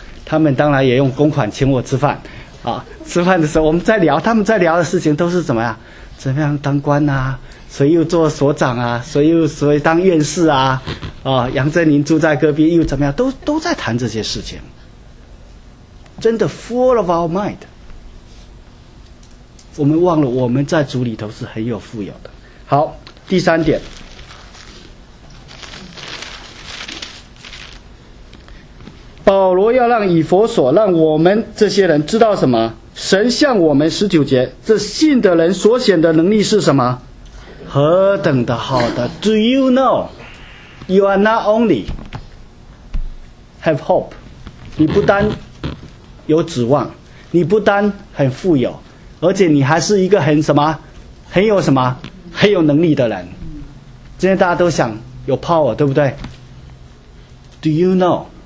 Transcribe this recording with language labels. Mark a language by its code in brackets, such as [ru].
[zh] 他们当然也用公款请我吃饭，啊，吃饭的时候我们在聊，他们在聊的事情都是怎么样，怎么样当官啊，谁又做所长啊，谁当院士啊，啊，杨振宁住在隔壁又怎么样，都在谈这些事情，真的 [en] full of our mind， [zh] 我们忘了我们在主里头是很有富有的。好，第三点。保罗要让以弗所，让我们这些人知道什么？神向我们19节，这信的人所显的能力是什么？何等的好的 ！ [en] Do you know? You are not only have hope， [zh] 你不单有指望，你不单很富有，而且你还是一个很什么，很有什么，很有能力的人。现在大家都想有 power， 对不对 ？ [en] Do you know?